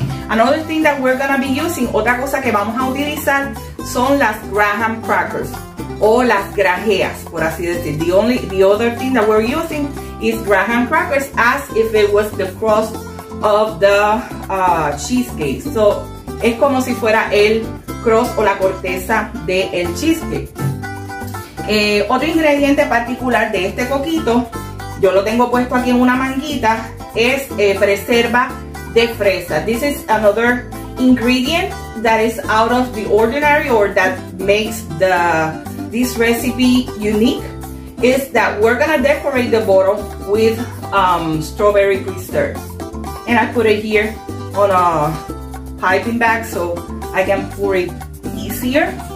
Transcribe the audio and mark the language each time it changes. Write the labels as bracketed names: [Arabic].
[English] Another thing that we're gonna be using, [Spanish] otra cosa que vamos a utilizar, son las Graham crackers o las grajeas, por así decir. [English] The other thing that we're using is Graham crackers, as if it was the crust of the cheesecake. [Spanish] So es como si fuera el crust o la corteza del cheesecake. Otro ingrediente particular de este coquito, yo lo tengo puesto aquí en una manguita, es preserva de fresa. [English] This is another ingredient that is out of the ordinary or that makes this recipe unique, is that we're gonna decorate the bottle with strawberry preserves. And I put it here on a piping bag so I can pour it easier.